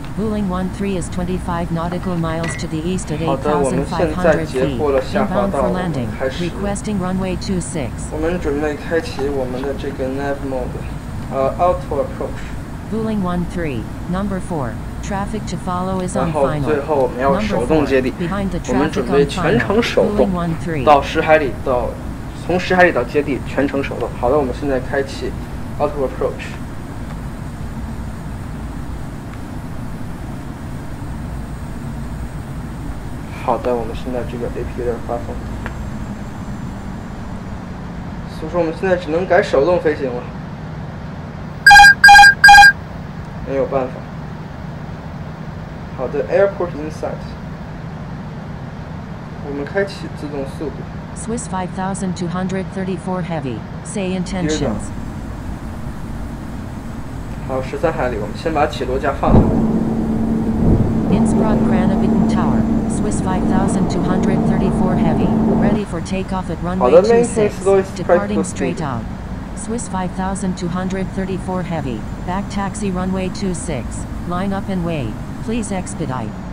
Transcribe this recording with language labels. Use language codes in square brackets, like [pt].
[en] Bulling 13 is 25 nautical miles to the east at 8,500 feet. Inbound for landing. Requesting runway 26. [zh] 我们准备开启我们的这个 nav mode. [en] Auto approach. Bulling 13, number 4. Traffic to follow is on final. [zh] 然后最后我们要手动接力。 [en] Behind the traffic on final. [zh] 我们准备全程手动。 [en] Bulling 13. [zh] 到十海里到，从十海里到接地全程手动。好的，我们现在开启 auto approach。好的，我们现在这个 AP 有点发疯，所以说我们现在只能改手动飞行了，没有办法。好的 ，Airport Insight， 我们开启自动速度。 [en] Swiss 5234 heavy, say intentions。 [zh] 好，13海里，我们先把起落架放下。 [en] Innsbruck Granovitten Tower。 Swiss 5234 heavy, ready for takeoff at runway 26, departing straight out. Swiss 5234 heavy, back taxi runway 26, line up and wait, please expedite.